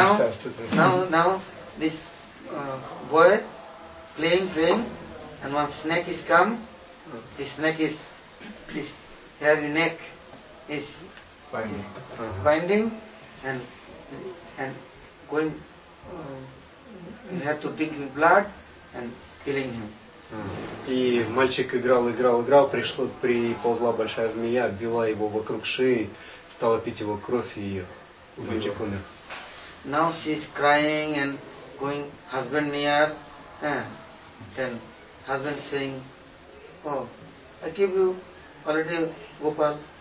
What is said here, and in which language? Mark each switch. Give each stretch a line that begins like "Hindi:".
English: Now this boy playing and one snake is come. This snake is this hairy neck is binding and going you have to drink his blood and killing him.
Russian: И мальчик играл, приползла большая змея, била его вокруг шеи, стала пить его кровь, и мальчик умер.
English: Now she is crying and going husband near. Then husband saying, oh, I give you already Gopal.